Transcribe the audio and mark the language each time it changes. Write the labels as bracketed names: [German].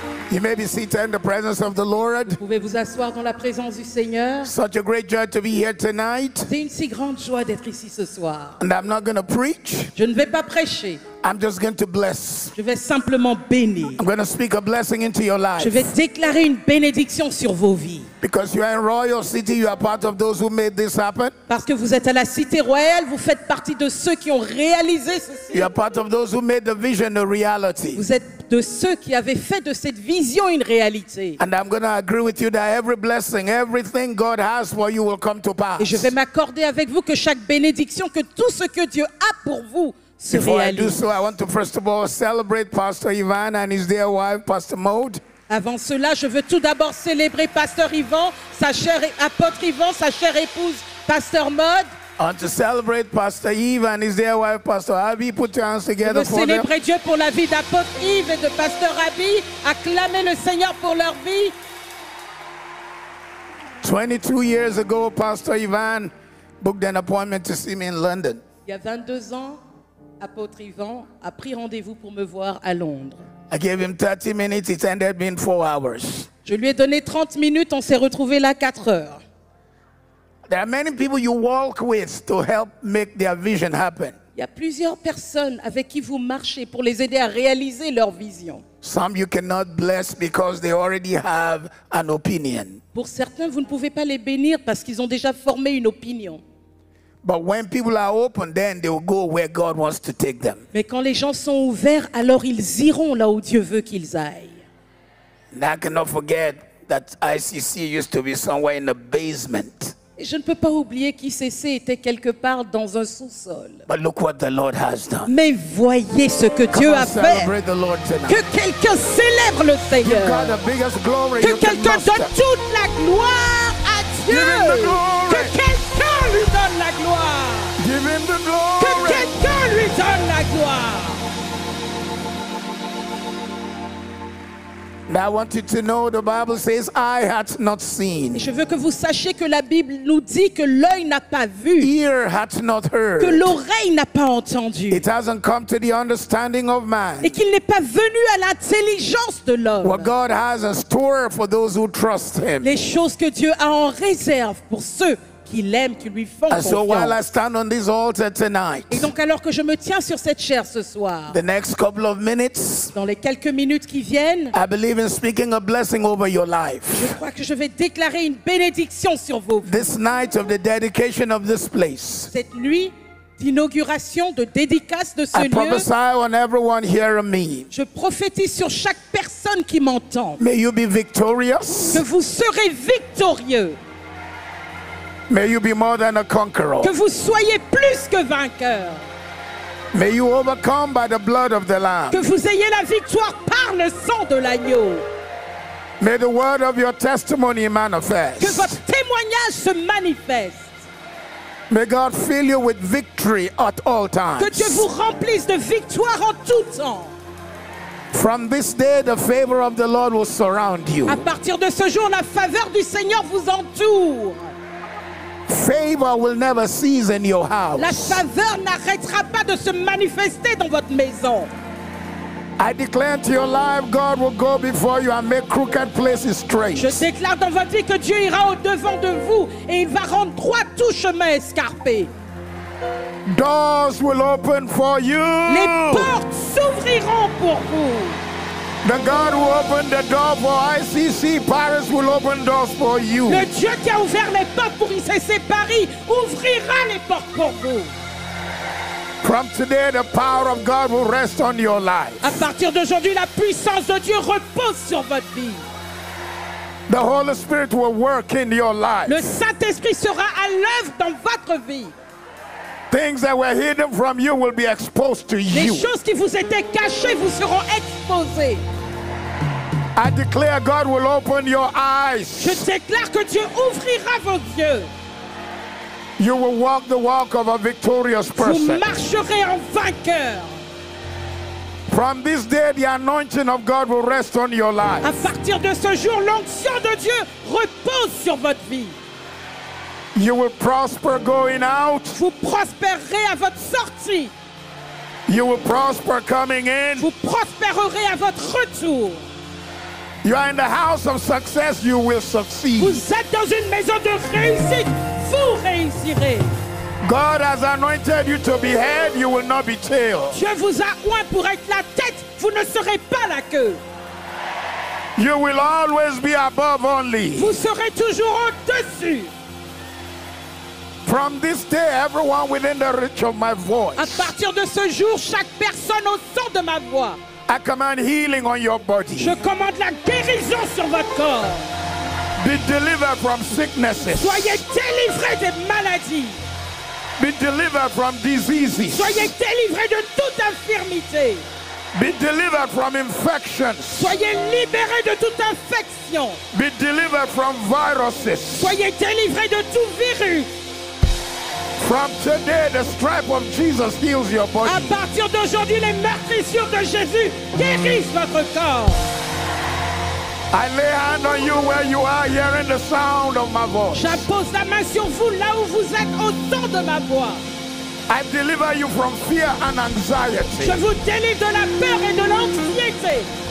[English] you may be seated in the presence of the Lord. [French] Vous pouvez vous asseoir dans la présence du Seigneur. [English] Such a great joy to be here tonight. [French] C'est une si grande joie d'être ici ce soir. [English] And I'm not going to preach. [French] Je ne vais pas prêcher. [English] I'm just going to bless. [French] Je vais simplement bénir. [English] I'm going to speak a blessing into your life. [French] Je vais déclarer une bénédiction sur vos vies. [English] Because you are in royal city, you are part of those who made this happen. [French] Parce que vous êtes à la cité royale, vous faites partie de ceux qui ont réalisé ceci. [English] You are part of those who made the vision a reality. [French] Vous êtes de ceux qui avaient fait de cette vision une réalité. [English] And I'm going to agree with you that every blessing, everything God has for you will come to pass. [French] Et je vais m'accorder avec vous que chaque bénédiction, que tout ce que Dieu a pour vous se [English] Before [French] réalise. [English] I do so, I want to first of all celebrate Pastor Ivan and his dear wife, Pastor Maud. [French] Avant cela, je veux tout d'abord célébrer Pasteur Ivan, sa chère apôtre Ivan, sa chère épouse, Pasteur Maud. [English] I want to celebrate Pastor Eve and his dear wife, Pastor Abby. Put your hands together for them. [French] Je veux célébrer Dieu pour la vie d'apôtre Eve et de Pasteur Abby. Acclamez le Seigneur pour leur vie. [English] 22 years ago, Pastor Ivan booked an appointment to see me in London. [French] Il y a 22 ans, apôtre Ivan a pris rendez-vous pour me voir à Londres. [English] I gave him 30 minutes, it ended up being 4 hours. [French] Je lui ai donné 30 minutes, on s'est retrouvé là 4 heures. [English] There are many people you walk with to help make their vision happen. [French] Il y a plusieurs personnes avec qui vous marchez pour les aider à réaliser leur vision. [English] Some you cannot bless because they already have an opinion. [French] Pour certains, vous ne pouvez pas les bénir parce qu'ils ont déjà formé une opinion. [English] But when people are open, then they will go where God wants to take them. [French] Mais quand les gens sont ouverts, alors ils iront là où Dieu veut qu'ils aillent. [English] And I cannot forget that ICC used to be somewhere in the basement. [French] Et je ne peux pas oublier qu'ICC était quelque part dans un sous-sol. [English] But look what the Lord has done. [French] Mais voyez ce que [English] Come [French] Dieu a fait. [English] Celebrate the Lord tonight. [French] Que quelqu'un célèbre le Seigneur. [English] Give God the biggest glory [French] que [English] you [French] quelqu'un [English] can [French] donne toute la gloire à Dieu. [English] Give him the glory. [French] Que quelqu'un lui donne la gloire. [English] Give him the glory. [French] Que quelqu'un lui donne la gloire. [English] I want you to know the Bible says eye hath not seen. [French] Je veux que vous sachiez que la Bible nous dit que l'œil n'a pas vu. [English] Ear hath not heard. [French] Que l'oreille n'a pas entendu. [English] It hasn't come to the understanding of man. [French] Et qu'il n'est pas venu à l'intelligence de l'homme. [English] What God has in store for those who trust him. [French] Les choses que Dieu a en réserve pour ceux qui l'aiment, qui lui font confiance. [English] So while I stand on this altar tonight. [French] Et donc alors que je me tiens sur cette chaire ce soir. [English] The next couple of minutes. [French] Dans les quelques minutes qui viennent. [English] I believe in speaking a blessing over your life. [French] Je crois que je vais déclarer une bénédiction sur vos vies. [English] This night of the dedication of this place. [French] Cette nuit d'inauguration, de dédicace de ce [English] I I prophesy on everyone hearing me. [French] Je prophétise sur chaque personne qui m'entend. [English] May you be victorious. [French] Que vous serez victorieux. [English] May you be more than a conqueror. [French] Que vous soyez plus que vainqueur. [English] May you overcome by the blood of the Lamb. [French] Que vous ayez la victoire par le sang de l'agneau. [English] May the word of your testimony manifest. [French] Que votre témoignage se manifeste. [English] May God fill you with victory at all times. [French] Que Dieu vous remplisse de victoire en tout temps. [English] From this day, the favor of the Lord will surround you. [French] À partir de ce jour, la faveur du Seigneur vous entoure. [English] Favor will never cease in your house. [French] La faveur n'arrêtera pas de se manifester dans votre maison. [English] I declare to your life, God will go before you and make crooked places straight. [French] Je déclare dans votre vie que Dieu ira au devant de vous et il va rendre droit tout chemin escarpé. [English] Doors will open for you. [French] Les portes s'ouvriront pour vous. [English] The God who opened the door for ICC Paris will open doors for you. [French] Le Dieu qui a ouvert les portes pour ICC Paris ouvrira les portes pour vous. [English] From today, the power of God will rest on your life. [French] À partir d'aujourd'hui, la puissance de Dieu repose sur votre vie. [English] The Holy Spirit will work in your life. [French] Le Saint-Esprit sera à l'œuvre dans votre vie. [English] Things that were hidden from you will be exposed to you. [French] Les choses qui vous étaient cachées vous seront exposées. [English] I declare God will open your eyes. [French] Je déclare que Dieu ouvrira vos yeux. [English] You will walk the walk of a victorious person. [French] Vous marcherez en vainqueur. [English] From this day, the anointing of God will rest on your life. [French] À partir de ce jour, l'onction de Dieu repose sur votre vie. [English] You will prosper going out. [French] Vous prospérerez à votre sortie. [English] You will prosper coming in. [French] Vous prospérerez à votre retour. [English] You are in the house of success. You will succeed. [French] Vous êtes dans une maison de réussite. Vous réussirez. [English] God has anointed you to be head. You will not be tail. [French] Dieu vous a oint pour être la tête. Vous ne serez pas la queue. [English] You will always be above only. [French] Vous serez toujours au-dessus. [English] From this day, everyone within the reach of my voice. [French] À partir de ce jour, chaque personne au son de ma voix. [English] I command healing on your body. [French] Je commande la guérison sur votre corps. [English] Be delivered from sicknesses. [French] Soyez délivrés des maladies. [English] Be delivered from diseases. [French] Soyez délivrés de toute infirmité. [English] Be delivered from infections. [French] Soyez libérés de toute infection. [English] Be delivered from viruses. [French] Soyez délivrés de tout virus. [English] From today, the stripe of Jesus heals your body. [French] À partir d'aujourd'hui, les meurtrissures de Jésus guérissent votre corps. [English] I lay hand on you where you are, hearing the sound of my voice. [French] J'impose la main sur vous là où vous êtes, au son de ma voix. [English] I deliver you from fear and anxiety. [French] Je vous délivre de la peur et de l'anxiété.